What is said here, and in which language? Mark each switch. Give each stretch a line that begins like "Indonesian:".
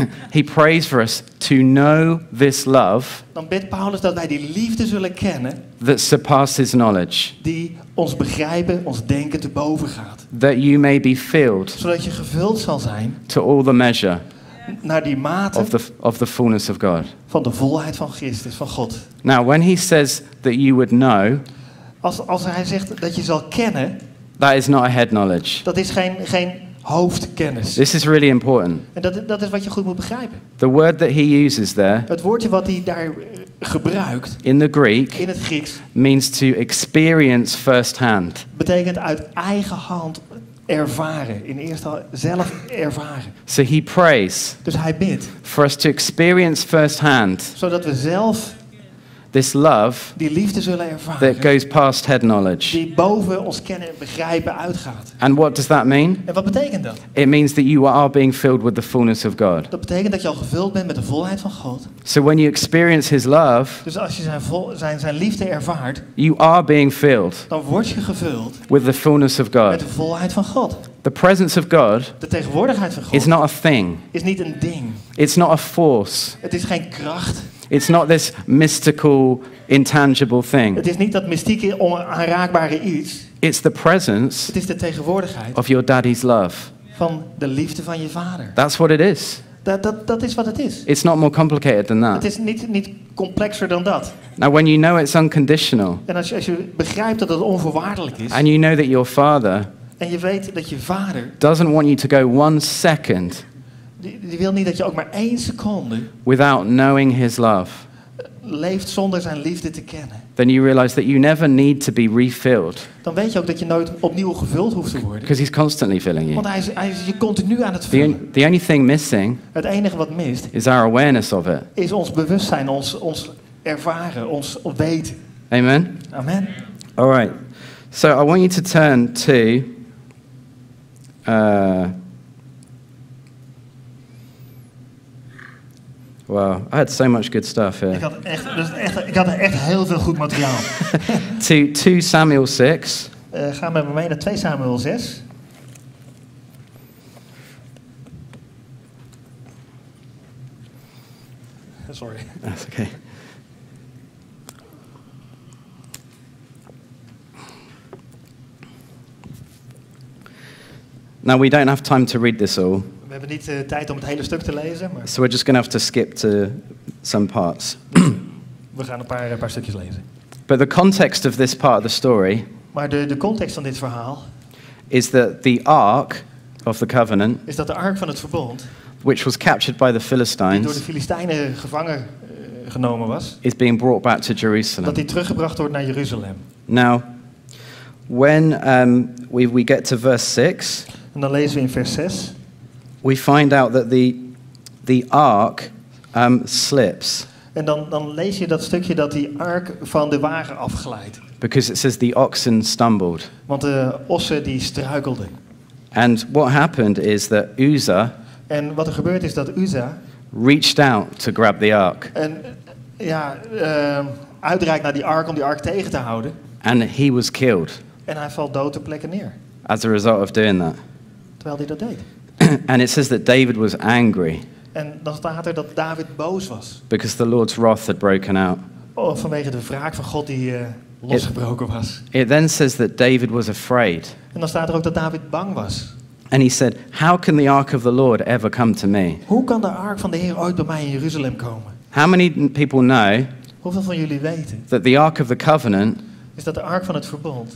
English: He prays for us to know this love.
Dutch: Dan bid Paulus dat wij die liefde zullen kennen.
English: That surpasses knowledge.
Dutch: Die ons begrijpen, ons denken te boven gaat.
English: That you may be filled.
Dutch: Zodat je gevuld zal zijn.
English: To all the measure.
Dutch: Naar die mate.
English: Of the fullness of God.
Dutch: Van de volheid van Christus, van God.
English: Now when he says that you would know.
Dutch: Als hij zegt dat je zal kennen,
English: that is not a head knowledge.
Dutch: Dat is geen hoofdkennis.
English: This is really important.
Dutch: En dat is wat je goed moet begrijpen.
English: The word that he uses there,
Dutch: het woordje wat hij daar gebruikt,
English: in the Greek,
Dutch: in het Grieks,
English: means to experience firsthand.
Dutch: Betekent uit eigen hand ervaren, in eerste zelf ervaren.
English: So he prays.
Dutch: Dus hij bidt.
English: For us to experience firsthand.
Dutch: Zodat we zelf
English: this love,
Dutch: die liefde zullen ervaren,
English: that goes past head knowledge,
Dutch: die boven ons kennen en begrijpen uitgaat.
English: And what does that mean?
Dutch: En wat betekent dat?
English: It means that you are being filled with the fullness of God.
Dutch: Dat betekent dat je al gevuld bent met de volheid van God.
English: So when you experience his love,
Dutch: dus als je zijn liefde ervaart,
English: you are being filled,
Dutch: dan word je gevuld
English: with the fullness of God,
Dutch: met de volheid van God.
English: The presence of God,
Dutch: de tegenwoordigheid van God,
English: is not a thing,
Dutch: is niet een ding.
English: It's not a force,
Dutch: het is geen kracht.
English: It's not this mystical, intangible thing.
Dutch: Het is niet dat mystieke, onaanraakbare iets.
English: It's the presence.
Dutch: Het is de tegenwoordigheid.
English: Of your daddy's love.
Dutch: Van de liefde van je vader.
English: That's what it is.
Dutch: Dat is wat het is.
English: It's not more complicated than that.
Dutch: Het is niet complexer dan dat.
English: Now when you know it's unconditional.
Dutch: En als je begrijpt dat het onvoorwaardelijk is.
English: And you know that your father.
Dutch: En je weet dat je vader.
English: Doesn't want you to go one second.
Dutch: Die wil niet dat je ook maar één seconde
English: without knowing his love
Dutch: leeft zonder zijn liefde te kennen.
English: Then you realize that you never need to be refilled.
Dutch: Dan weet je ook dat je nooit opnieuw gevuld hoeft te worden.
English: Because he's constantly filling you.
Dutch: Want hij is je continu aan het vullen.
English: The only thing missing,
Dutch: het enige wat mist,
English: is our awareness of it.
Dutch: Is ons bewustzijn, ons ervaren, ons weten.
English: Amen.
Dutch: Amen.
English: All right. So I want you to turn to wow, I had so much good stuff here.
Dutch: Ik had echt heel veel goed materiaal.
English: To 2 Samuel 6.
Dutch: Ga met me mee naar 2 Samuel 6.
English: Sorry. That's okay. Now we don't have time to read this all.
Dutch: We hebben niet tijd om het hele stuk te lezen. Maar
English: so we're just going to have to skip to some parts.
Dutch: We gaan een paar stukjes lezen.
English: But the context of this part of the story.
Dutch: Maar de context van dit verhaal.
English: Is that the ark of the covenant.
Dutch: Is dat de ark van het verbond.
English: Which was captured by the Philistines.
Dutch: Die door de Filistijnen gevangen genomen was.
English: Is being brought back to Jerusalem.
Dutch: Dat die teruggebracht wordt naar Jeruzalem.
English: Now, When we get to verse 6,
Dutch: en dan lezen we in vers 6,
English: we find out that the ark slips.
Dutch: En dan lees je dat stukje dat die ark van de wagen afglijdt.
English: Because it says the oxen stumbled.
Dutch: Want de ossen die struikelden.
English: And what happened is that Uzzah.
Dutch: En wat er gebeurd is dat Uzzah
English: reached out to grab the ark.
Dutch: En ja, uitreikt naar die ark om die ark tegen te houden.
English: And he was killed.
Dutch: En hij valt dood ter plekke neer.
English: As a result of doing that.
Dutch: Terwijl hij dat deed.
English: And it says that David was angry.
Dutch: En dan staat er dat David boos was.
English: Because the Lord's wrath had broken out.
Dutch: Oh, vanwege de wraak van God die losgebroken was.
English: It then says that David was afraid.
Dutch: En dan staat er ook dat David bang was.
English: And he said, "How can the ark of the Lord ever come to me?"
Dutch: Hoe kan de ark van de Heer ooit bij mij in Jeruzalem komen?
English: How many people know?
Dutch: Hoeveel van jullie weten?
English: That the ark of the covenant
Dutch: is dat de ark van het verbond.